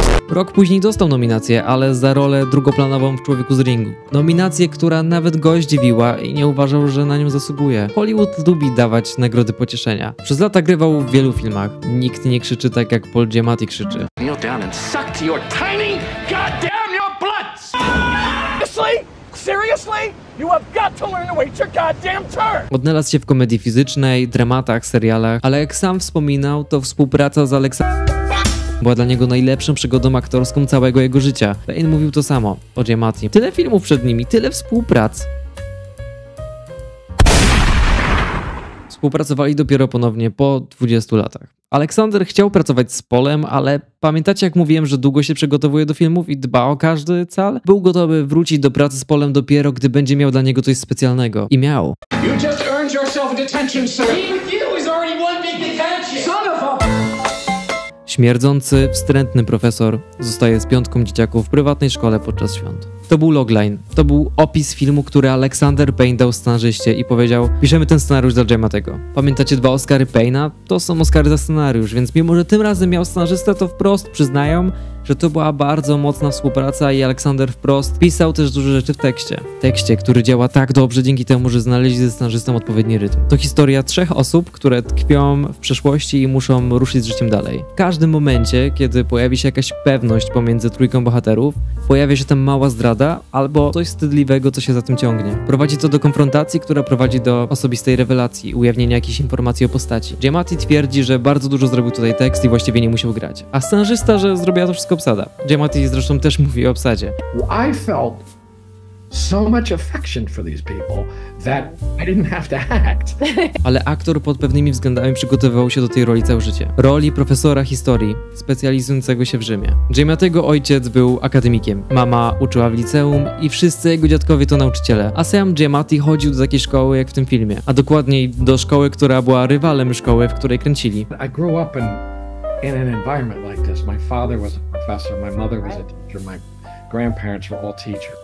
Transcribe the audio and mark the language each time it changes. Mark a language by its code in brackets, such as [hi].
[pl] Rok później dostał nominację, ale za rolę drugoplanową w Człowieku z Ringu. Nominację, która nawet go zdziwiła i nie uważał, że na nią zasługuje. Hollywood lubi dawać nagrody pocieszenia. Przez lata grywał w wielu filmach. Nikt nie krzyczy tak, jak Paul Giamatti krzyczy. [en] Kneel down and suck to your tiny goddamn your blood! Seriously? Seriously? You have got to learn to wait your goddamn turn! [pl] Odnalazł się w komedii fizycznej, dramatach, serialach, ale jak sam wspominał, to współpraca z była dla niego najlepszą przygodą aktorską całego jego życia. Payne mówił to samo o Giamatti. Tyle filmów przed nimi, tyle współprac. Współpracowali dopiero ponownie po 20 latach. Alexander chciał pracować z Polem, ale pamiętacie, jak mówiłem, że długo się przygotowuje do filmów i dba o każdy cal? Był gotowy wrócić do pracy z Polem dopiero, gdy będzie miał dla niego coś specjalnego. I miał. [en] You just earned yourself a detention, sir. [pl] Śmierdzący, wstrętny profesor zostaje z piątką dzieciaków w prywatnej szkole podczas świąt. To był logline. To był opis filmu, który Alexander Payne dał scenarzyście i powiedział: piszemy ten scenariusz dla Giamattiego. Pamiętacie dwa Oscary Payne'a? To są Oscary za scenariusz, więc mimo że tym razem miał scenarzystę, to wprost przyznają, że to była bardzo mocna współpraca i Alexander wprost pisał też dużo rzeczy w tekście. Tekście, który działa tak dobrze dzięki temu, że znaleźli ze scenarzystą odpowiedni rytm. To historia trzech osób, które tkwią w przeszłości i muszą ruszyć z życiem dalej. W każdym momencie, kiedy pojawi się jakaś pewność pomiędzy trójką bohaterów, pojawia się tam mała zdrada albo coś wstydliwego, co się za tym ciągnie. Prowadzi to do konfrontacji, która prowadzi do osobistej rewelacji, ujawnienia jakiejś informacji o postaci. Giamatti twierdzi, że bardzo dużo zrobił tutaj tekst i właściwie nie musiał grać. A scenarzysta, że zrobiła to wszystko obsada. Giamatti zresztą też mówi o obsadzie. [en] I felt so much affection for these people that I didn't have to act. [pl] Ale aktor pod pewnymi względami przygotowywał się do tej roli całe życie. Roli profesora historii, specjalizującego się w Rzymie. Giamattiego ojciec był akademikiem, mama uczyła w liceum i wszyscy jego dziadkowie to nauczyciele. A sam Giamatti chodził do takiej szkoły jak w tym filmie, a dokładniej do szkoły, która była rywalem szkoły, w której kręcili. [en] I grew up in an environment like this. My father was a professor, my mother was a teacher, my grandparents were all teachers.